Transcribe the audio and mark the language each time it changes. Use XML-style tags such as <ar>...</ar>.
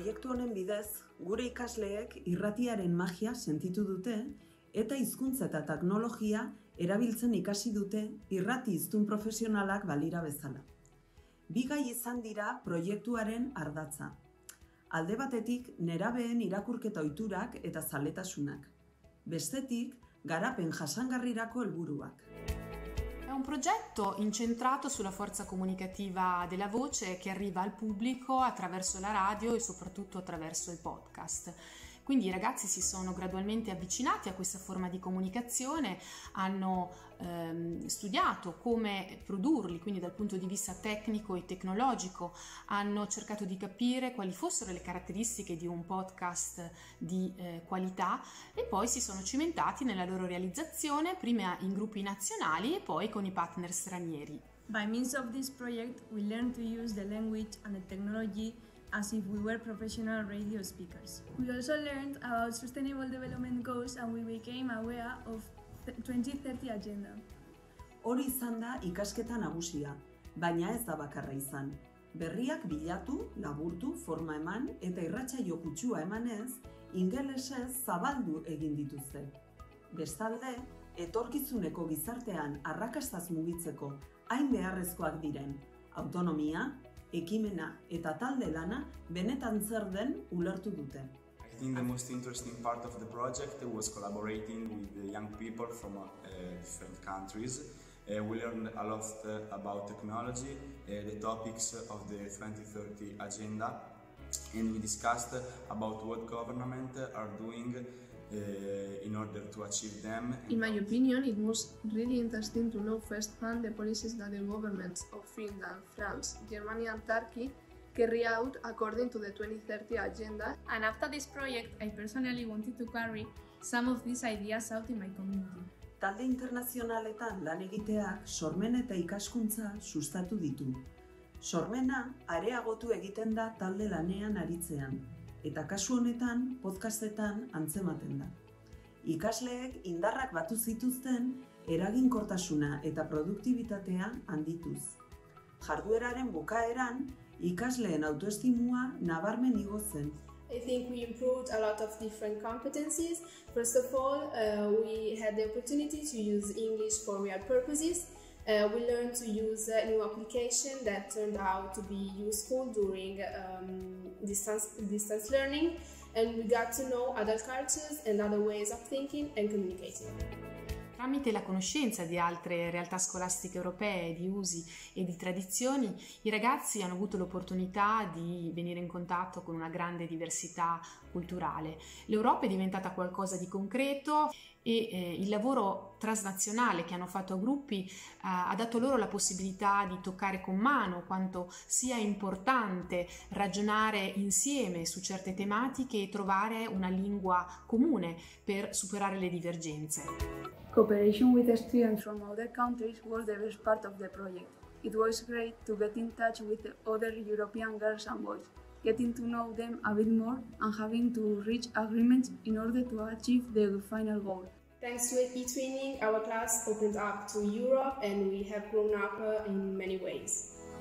<eu>Honen bidez, gure ikasleek irratiaren magia sentitu dute eta hizkuntza eta teknologia erabiltzen ikasi dute irrati hiztun profesionalak balira bezala. Bi gai izan dira proiektuaren ardatza. Alde batetik, nerabeen irakurketa ohiturak eta zaletasunak. Bestetik, garapen jasangarrirako helburuak.</eu> <it>È un progetto incentrato sulla forza comunicativa della voce che arriva al pubblico attraverso la radio e soprattutto attraverso i podcast. Quindi i ragazzi si sono gradualmente avvicinati a questa forma di comunicazione, hanno studiato come produrli, quindi dal punto di vista tecnico e tecnologico, hanno cercato di capire quali fossero le caratteristiche di un podcast di qualità e poi si sono cimentati nella loro realizzazione, prima in gruppi nazionali e poi con i partner stranieri.</it> <en>By means of this project we learn to use the language and the technology as if we were professional radio speakers. We also learned about sustainable development goals and we became aware of the 2030 agenda.</en> <eu>Hori izan da ikasketa nagusia, baina ez da bakarra izan. Berriak bilatu, laburtu, forma eman eta irratsaio kutsua emanez, ingelesez zabaldu egin dituzte. Bestalde, etorkizuneko gizartean arrakastaz mugitzeko hain beharrezkoak diren autonomia, ekimena eta talde lana benetan zer den ulertu dute.</eu> <en>I think the most interesting part of the project was collaborating with the young people from different countries We learned a lot about technology, the topics of the 2030 agenda, and we discussed about what government are doing in order to achieve them. In my opinion, it was really interesting to know firsthand the policies that the governments of Finland, France, Germany and Turkey carry out according to the 2030 agenda. And after this project, I personally wanted to carry some of these ideas out in my community.</en> <eu>Talde internazionaletan lan egiteak sormen eta ikaskuntza sustatu ditu. Sormena areagotu egiten da talde lanean aritzean, eta kasu honetan podcastetan antzematen da. Ikasleek indarrak batu zituzten eraginkortasuna eta produktibitatea handituz. Jardueraren bukaeran ikasleen autoestimua nabarmen igo zen.</eu> <en>I think we improved a lot of different competencies. First of all, we had the opportunity to use English for real purposes. We learned to use a new application that turned out to be useful during distance learning. And we got to know other cultures and other ways of thinking and communicating.</en> <it>Tramite la conoscenza di altre realtà scolastiche europee, di usi e di tradizioni, i ragazzi hanno avuto l'opportunità di venire in contatto con una grande diversità culturale. L'Europa è diventata qualcosa di concreto e il lavoro transnazionale che hanno fatto a gruppi ha dato loro la possibilità di toccare con mano quanto sia importante ragionare insieme su certe tematiche e trovare una lingua comune per superare le divergenze.</it> <en>Cooperation with students from other countries was the best part of the project. It was great to get in touch with the other European girls and boys, getting to know them a bit more and having to reach agreements in order to achieve the final goal. Thanks to eTwinning, our class opened up to Europe and we have grown up in many ways.</en>